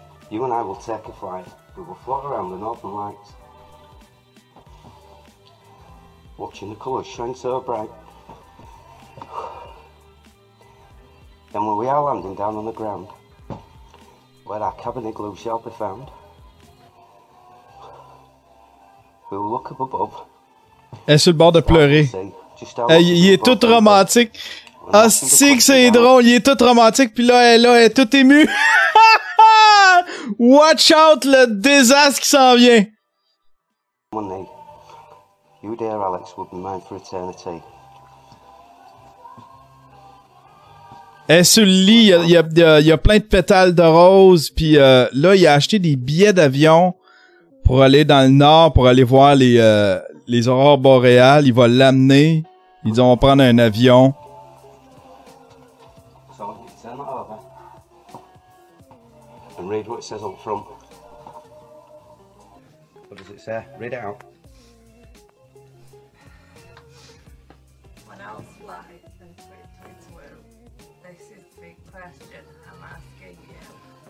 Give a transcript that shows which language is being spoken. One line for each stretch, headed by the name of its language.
English: You and I will take a flight. We will float around the northern lights, watching the colours shine so bright. Then when we are landing down on the ground, where our cabin igloo shall be found, we will look up above.
French: Elle est sur le bord de pleurer. Il est tout romantique. Ah, si que c'est drôle, il est tout romantique. Puis là, elle est toute émue.
English: Watch out,
French: le désastre qui s'en vient.
English: Money. You, dear Alex, will be mine for eternity.
French: Elle est sur le lit, il y a plein de pétales de rose. Puis là, il a acheté des billets d'avion pour aller dans le nord, pour aller voir les aurores boréales. Il va l'amener. Ils vont prendre un avion.
English: So, turn that over. And read what it says up front. What does it say? Read it out. When I'll fly and switch its will, this is the big question I'm asking you.